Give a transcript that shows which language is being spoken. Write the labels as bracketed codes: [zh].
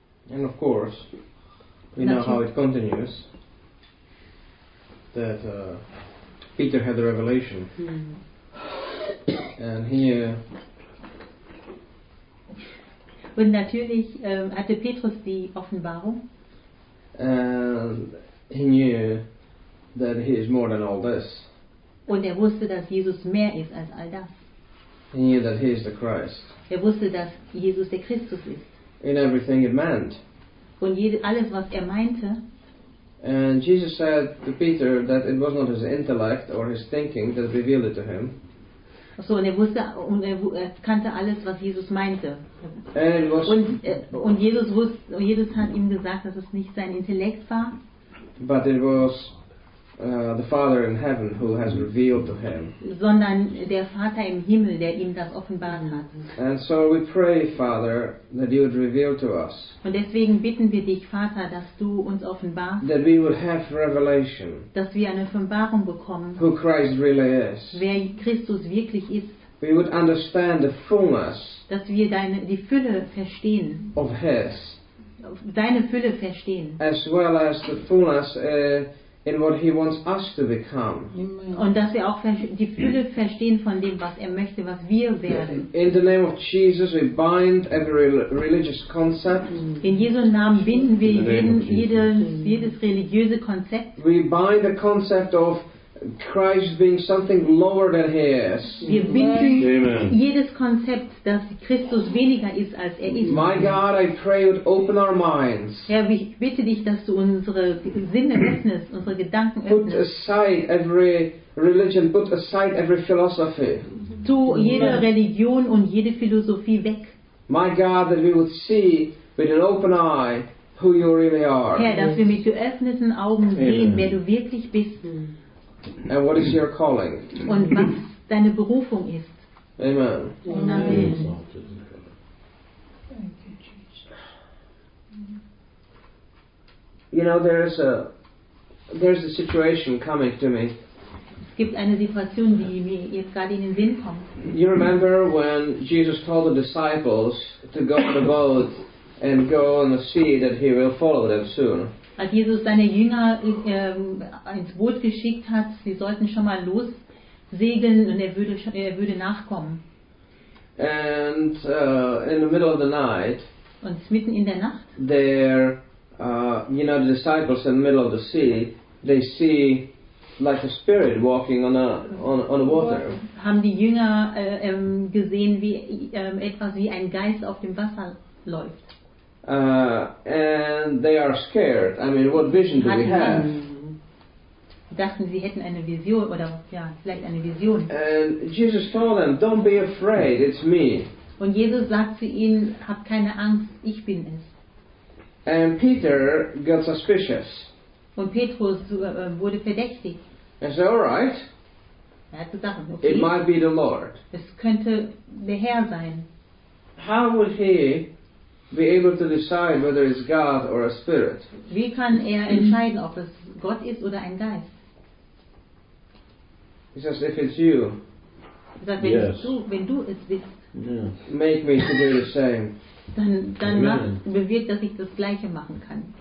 [en] And of course, we know how it continues, that Peter had the revelation. And here. [de] Und natürlich hatte Petrus die Offenbarung. [en] And he knew that he is more than all this. [de] Und er wusste, dass Jesus mehr ist als all das. [en] He knew that he is the Christ. [de] Er wusste, dass Jesus der Christus ist. [en] In everything it meant. [de] Und alles, was er meinte. [en] And Jesus said to Peter that it was not his intellect or his thinking that revealed it to him. [de] So, und er wusste und er kannte alles, was Jesus meinte. Und Jesus wusste, und Jesus hat ihm gesagt, dass es nicht sein Intellekt war. [en] But it was the Father in heaven who has revealed to him. [de] Sondern der Vater im Himmel, der ihm das offenbaren hat. [en] And so we pray, Father, that you would reveal to us. [de] Und deswegen bitten wir dich, Vater, dass du uns offenbarst. [en] That we would have revelation. [de] Dass wir eine Offenbarung bekommen. [en] Who Christ really is. [de] Wer Christus wirklich ist. [en] We would understand the fullness. [de] Dass wir die Fülle verstehen. [en] Of His. [de] Deine Fülle verstehen. [en] As well as the fullness. In what he wants us to become. [de] Und dass wir auch die Fülle verstehen von dem, was er möchte, was wir werden. [en] In the name of Jesus, we bind every religious concept. [de] In Jesu Namen binden wir jedes religiöse Konzept. [en] We bind the concept of Christ being something lower than he is. [de] Wir binden jedes Konzept, dass Christus weniger ist, als er ist. [en] My God, I pray you'd open our minds. [de] Herr, ich bitte dich, dass du unsere Sinne öffnest, unsere Gedanken öffnest. [en] Put aside every religion, put aside every philosophy. [de] Tu jede Religion und jede Philosophie weg. [en] My God, that we would see with an open eye who you really are. [de] Herr, dass wir mit geöffneten Augen sehen, wer du wirklich bist. [en] And what is your calling? [de] Und was deine Berufung ist. Amen. Amen. Amen. [en] Thank you, Jesus. You know, there's a situation coming to me. [de] Es gibt eine Situation, die mir jetzt gerade in den Sinn kommt. [en] You remember when Jesus told the disciples to go on the boat and go on the sea that he will follow them soon. [de] Als Jesus seine Jünger ins Boot geschickt hat, sie sollten schon mal los segeln und er würde nachkommen. [en] And in the middle of the night. [de] Und mitten in der Nacht. [en] There, you know, the disciples in the middle of the sea, they see like a spirit walking on the water. [de] Haben die Jünger gesehen, wie etwas wie ein Geist auf dem Wasser läuft. [en] And they are scared. I mean, what vision do we have? [de] Dachten sie hätten eine Vision oder ja vielleicht eine Vision. [en] And Jesus told them, "Don't be afraid. It's me." [de] Und Jesus sagt zu ihnen, "Hab keine Angst. Ich bin es." [en] And Peter got suspicious. [de] Und Petrus wurde verdächtig. [en] And said, "All right." [de] Er hat gesagt, okay. [en] It might be the Lord. [de] Es könnte der Herr sein. [en] How would he be able to decide whether it's God or a spirit? [de] Wie kann er entscheiden, ob es Gott ist oder ein Geist? [en] He says, if it's you, [de] sagt, wenn, [en] yes. [de] wenn du es bist, [en] yeah. make me to do the same. [de] Dann macht, bewirkt, dass ich das Gleiche machen kann.